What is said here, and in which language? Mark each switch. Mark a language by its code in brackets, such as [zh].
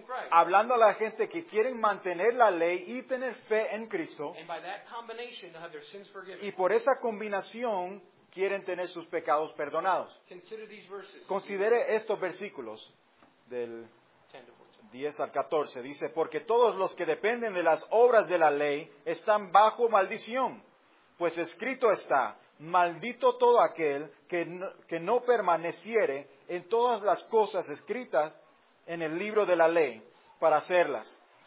[es] Hablando a la gente que quieren mantener la ley y tener fe en Cristo. [en] And by that combination, they have their sins forgiven. [es] Y por esa combinación quieren tener sus pecados perdonados. [en] Consider these verses. [es] Considere estos versículos del 10 al 14. Dice, porque todos los que dependen de las obras de la ley están bajo maldición. Pues escrito está, maldito todo aquel que no permaneciere en todas las cosas escritas en el libro de la ley para hacerlas.